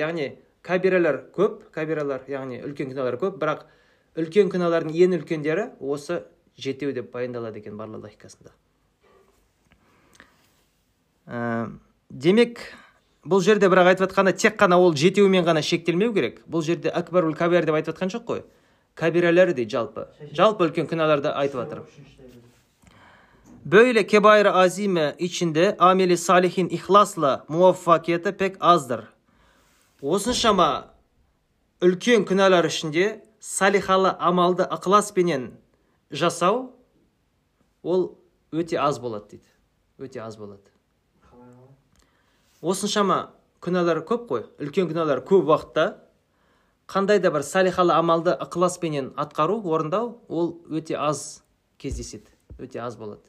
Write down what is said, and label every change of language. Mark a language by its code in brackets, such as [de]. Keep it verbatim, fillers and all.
[kk] Яғни кабиралар көп, кабиралар, яғни үлкен күнәлар көп, бірақ үлкен күнәлардың ең үлкендері осы жетеу деп баяндалады екен барлығы хикасында. ә, демек бұл жерде бірақ айтып жатқанда тек қана ол жетеуімен ғана шектелмеу керек. Бұл жерде акбарул кабир деп айтып жатқан жоқ қой, кабиралар дейді, жалпы жалпы үлкен күнәларды айтып жатыр. [tr] Böyle kebair azime içinde ameli salihin ihlasla muvaffakiyete pek azdır. [kk] Осыншама үлкен күнәлар ішінде салихалы амалды ықыласпенен жасау ол өте аз болады дейді. Өте аз болады. Осыншама күнәлар көп қой, үлкен күнәлар көп уақытта қандай да бір салихалы амалды ықыласпенен атқару, орындау ол өте аз кездеседі. Өте аз болады.